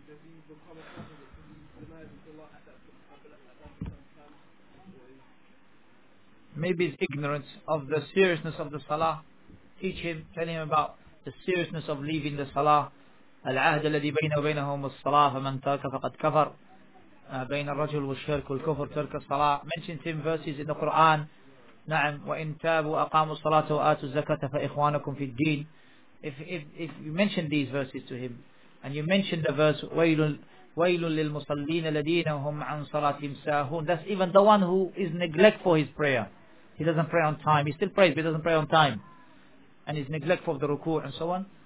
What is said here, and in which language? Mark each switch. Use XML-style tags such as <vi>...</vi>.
<en>Does he become a prophet? Does he deny the Allah at that time? Maybe his ignorance of the seriousness of the Salah. Teach him, tell him about the seriousness of leaving the Salah.</en> <ar>العهد الذي بينه وبينهم الصلاة فمن ترك فقد كفر بين الرجل والشرك والكفر ترك الصلاة.</ar> <en>Mentioned him verses in the Quran.</en> <ar>نعم وإن تابوا أقاموا الصلاة وآتوا الزكاة فإخوانكم في الدين.</ar> <en>If you mention these verses to him and you mention the verse</en> <ar>ويل للمصلين الذين هم عن صلاتهم ساهون,</ar> <en>that's even the one who is neglect for his prayer. He doesn't pray on time. He still prays but he doesn't pray on time and is neglectful of the ruku' and so on.</en>